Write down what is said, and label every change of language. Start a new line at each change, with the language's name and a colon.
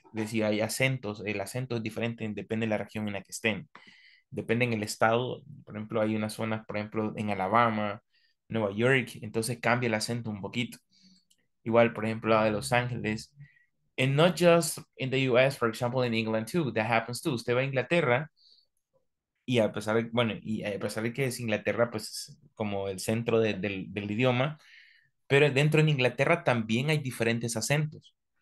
Spanish: Es decir, hay acentos, el acento es diferente, depende de la región en la que estén. Depende del estado. Por ejemplo, hay unas zonas, por ejemplo, en Alabama, Nueva York, entonces cambia el acento un poquito. Igual, por ejemplo, la de Los Ángeles.
English: And not just in the US, for example, in England too, that happens too.
Spanish: Usted va a Inglaterra y a pesar de, bueno, y a pesar de que es Inglaterra, pues como el centro del idioma, pero dentro de Inglaterra también hay diferentes acentos.